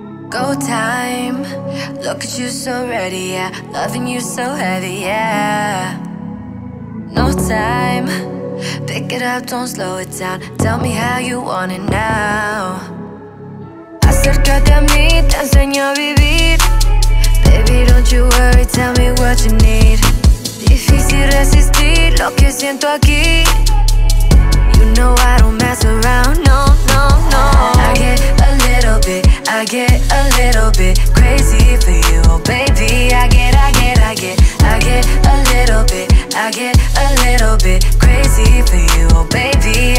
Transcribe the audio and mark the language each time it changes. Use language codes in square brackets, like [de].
[en] Go time, look at you so ready, yeah. Loving you so heavy, yeah. No time, pick it up, don't slow it down. Tell me how you want it now. [es] Acércate a mí, te enseño a vivir. [en] Baby, don't you worry, tell me what you need. [es] Difícil resistir lo que siento aquí. [en] You know I don't mess around, no, no, no. I get a little bit, I get a little bit crazy for you, oh baby. I get a little bit, I get a little bit crazy for you, oh baby.